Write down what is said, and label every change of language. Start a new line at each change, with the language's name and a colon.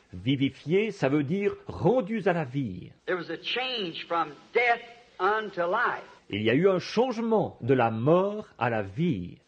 French: Vivifié, ça veut dire rendus à la vie.
English: There was a change from death unto life.
French: Il y a eu un changement de la mort à la vie.